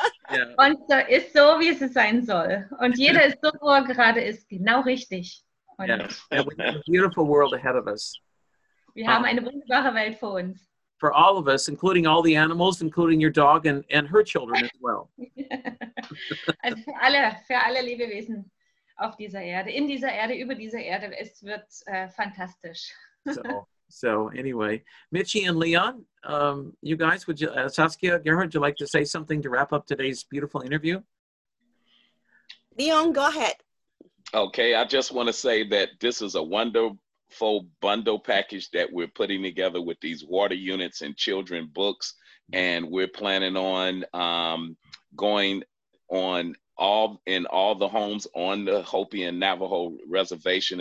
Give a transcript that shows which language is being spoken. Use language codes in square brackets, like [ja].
[de] Yeah. Und so ist so, wie es sein soll. Und jeder ist so, wo er gerade ist, genau richtig. Yeah. [en] And we have a beautiful world ahead of us. [de] Wir haben eine wunderbare Welt vor uns. [en] For all of us, including all the animals, including your dog and her children as well. [de] Also für alle Lebewesen auf dieser Erde, in dieser Erde, über dieser Erde, es wird fantastisch. [en] So anyway, Michi and Leon, you guys, would you, Saskia, Gerhard, would you like to say something to wrap up today's beautiful interview? Leon, go ahead. Okay, I just want to say that this is a wonderful bundle package that we're putting together with these water units and children books, and we're planning on going on in all the homes on the Hopi and Navajo reservation.